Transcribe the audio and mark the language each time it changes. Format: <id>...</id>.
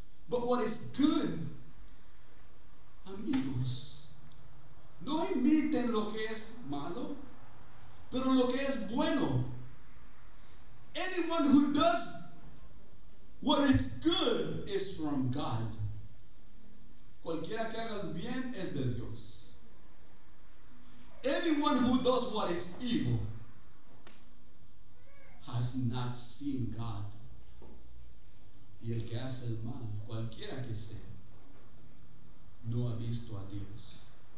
<en>But what is good,</en> <es>amigos, no imiten lo que es malo, pero lo que es bueno.</es> <en>Anyone who does what is good is from God.</en> <es>Cualquiera que haga el bien es de Dios.</es> <en>Anyone who does what is evil has not seen God.</en> <es>Y el que hace el mal, cualquiera que sea, no ha visto a Dios.</es>